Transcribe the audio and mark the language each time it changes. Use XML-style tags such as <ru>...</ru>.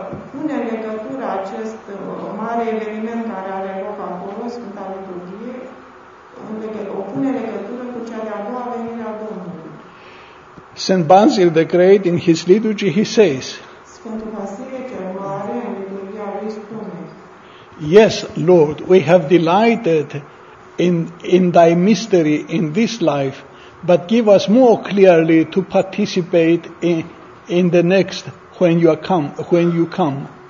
<ro>Pune legătura acest mare eveniment care are loc acolo, Sfânta Liturghie, o pune legătură cu cea de-a doua venire a Domnului.</ro> <en>St. Basil the Great in his liturgy he says,</en> <ro>Sfântul Vasile cel Mare în liturghia lui spune,</ro> <en>yes, Lord, we have delighted in thy mystery in this life, but give us more clearly to participate in the next when you come.</en>